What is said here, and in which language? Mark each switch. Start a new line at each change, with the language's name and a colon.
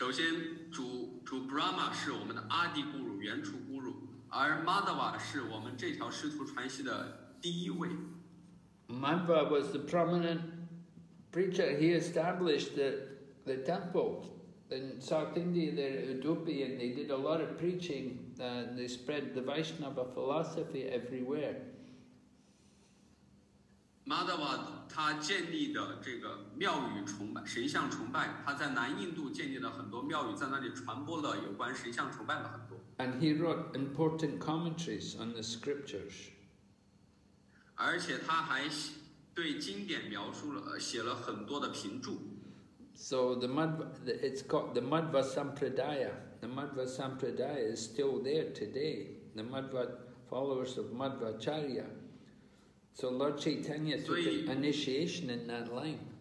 Chinese: 首先主 Brahma 是我们的Adiguru, 原初Guru, 而 Madhava 是我们这条师徒传系的第一位。
English: Madhava was the prominent preacher, he established the temple in South India, there at Udupi, and they did a lot of preaching, and they spread the Vaishnava philosophy everywhere.
Chinese: Madhava, 他建立的这个庙宇崇拜，神像崇拜，他在南印度建立了很多庙宇，在那里传播了有关神像崇拜的很多。
English: And he wrote important commentaries on the scriptures.
Chinese: 而且他还 对经典描述了，写了很多的评注。
English: So the Madhva, it's called the Madhva Sampradaya. The Madhva Sampradaya is still there today. The Madhva followers of Madhvacharya. So Lord Chaitanya took initiation in that line.